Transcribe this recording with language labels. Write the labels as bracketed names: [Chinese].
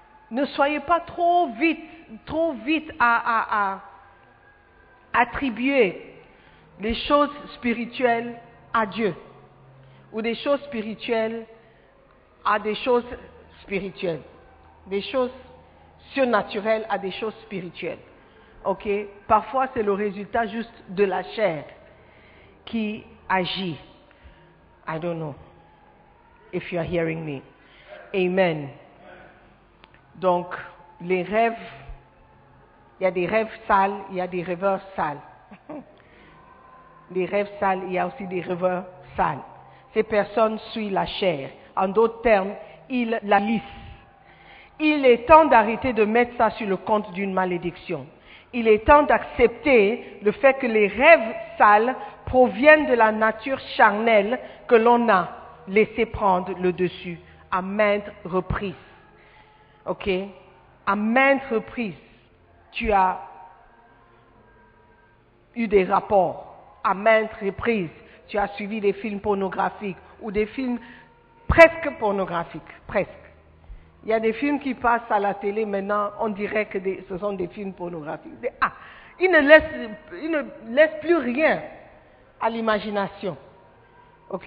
[French] Ne soyez pas trop vite à attribuer les choses spirituelles à Dieu ou des choses spirituelles à des choses spirituelles. Des choses surnaturelles à des choses spirituelles. Ok? Parfois, c'est le résultat juste de la chair qui agit. [English] I don't know if you are hearing me. [French] Amen. Donc, les rêves, il y a des rêves sales, il y a des rêveurs sales. Les rêves sales, il y a aussi des rêveurs sales. Ces personnes suivent la chair. En d'autres termes, ils la lissent. Il est temps d'arrêter de mettre ça sur le compte d'une malédiction. Il est temps d'accepter le fait que les rêves sales proviennent de la nature charnelle que l'on a laissé prendre le dessus à maintes reprises. Ok? À maintes reprises, tu as eu des rapports. À maintes reprises, tu as suivi des films pornographiques ou des films presque pornographiques, presque. Il y a des films qui passent à la télé maintenant, on dirait que ce sont des films pornographiques. Ah, ils ne laissent plus rien à l'imagination. Ok?